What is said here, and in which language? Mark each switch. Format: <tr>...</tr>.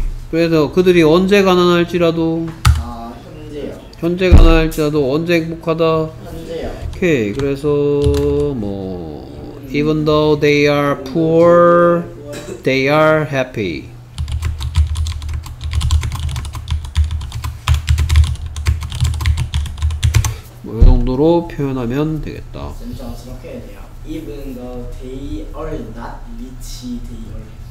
<ko>그래서 그들이 언제 가난할지라도 현재 가난할지라도 언제 행복하다? 현재요. 오케이. 그래서 뭐</ko> <en>even though they are poor, they are happy.</en> <ko>뭐 이 정도로 표현하면 되겠다. 진짜 저렇게 해야 돼요.</ko> <en>Even though they are not rich, they are happy.</en>